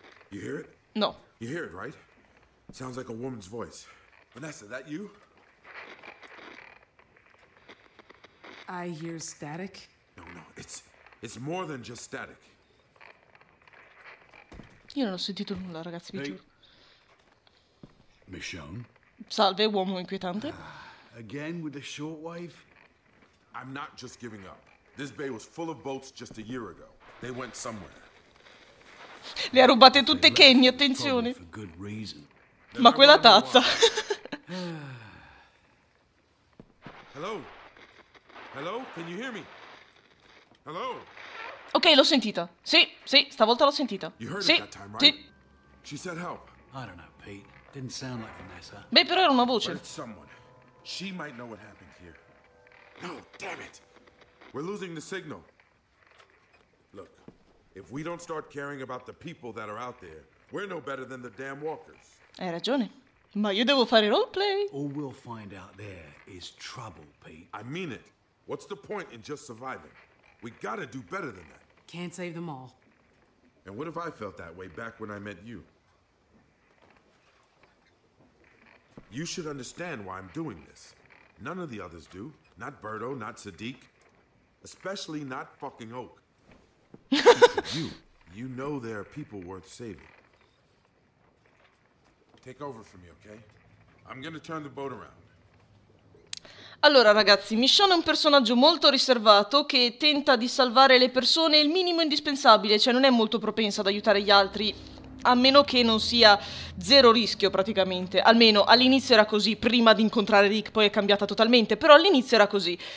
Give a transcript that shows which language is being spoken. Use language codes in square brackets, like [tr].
[en] You hear it? No. You hear it, right? Sounds like a woman's voice. Vanessa, that you? I hear static. No, it's more than just static. [it] Io non ho sentito nulla, ragazzi, vi giuro. [en] Michonne? [it] Salve, uomo inquietante. [en] Again with the shortwave? I'm not just giving up. This bay was full of boats just a year ago. They went somewhere. [it] Le ha rubate tutte Kenny, attenzione. [en] For good reason. [it] Ma quella tazza. [en] Hello? Hello? Can you hear me? Hello? [it] Ok, l'ho sentita. Sì, stavolta l'ho sentita. [en] You heard [it] sì, [en] it that time, right? [it] Sì. [en] She said help. I don't know, Pete. Didn't sound like Vanessa. [it] Beh, però era una voce. [en] But it's someone. She might know what happened here. No, damn it. We're losing the signal. Look, if we don't start caring about the people that are out there, we're no better than the damn walkers. [it] Hai ragione, ma io devo fare roleplay. [en] All we'll find out there is trouble, Pete. I mean it. What's the point in just surviving? We gotta do better than that. Can't save them all. And what if I felt that way back when I met you? You should understand why I'm doing this. None of the others do. Not Birdo, not Sadiq. Especially not fucking Oak. You know there are people worth saving. Take over for me, okay? I'm gonna turn the boat around. [it] Allora ragazzi, Michonne è un personaggio molto riservato che tenta di salvare le persone il minimo indispensabile, cioè non è molto propensa ad aiutare gli altri, a meno che non sia zero rischio praticamente. Almeno all'inizio era così, prima di incontrare Rick poi è cambiata totalmente, però all'inizio era così.